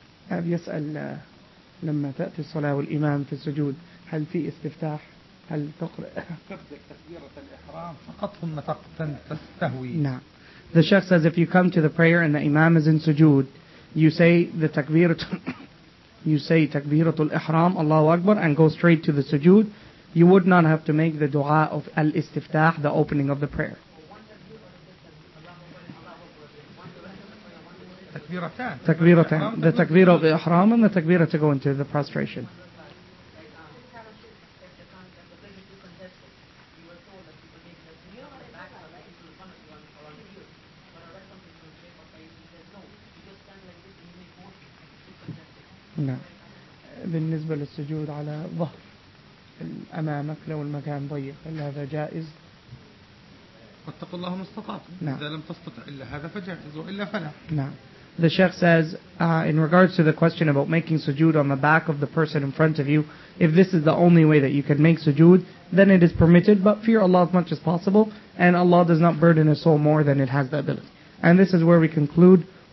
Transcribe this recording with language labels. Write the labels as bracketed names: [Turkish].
[Arabic] أب يسأل لما تأتي الصلاة والإمام في السجود هل في استفتاح؟ هل تقرأ؟ تكبيرة الإحرام فقط ثم تستهوي. نعم. [English] The Sheikh says if you come to the prayer and the Imam is in sujood, you say the takbir, you say takbiratul ihram, Allahu Akbar, and go straight to the sujood. You would not have to make the dua of al istiftah, the opening of the prayer. [Arabic] Takbiratan. [English] The takbir of ihram and the takbir to go into the prostration. [Arabic] بالنسبة للسجود على ظهر أمامك لو المكان ضيق، هل هذا جائز؟ واتقوا الله ما استطعت. نعم. إذا لم تستطع إلا هذا فجائز وإلا فلا. نعم. [English] The Sheikh says, in regards to the question about making sujood on the back of the person in front of you, if this is the only way that you can make sujood, then it is permitted, but fear Allah as much as possible, and Allah does not burden a soul more than it has the ability. And this is where we conclude.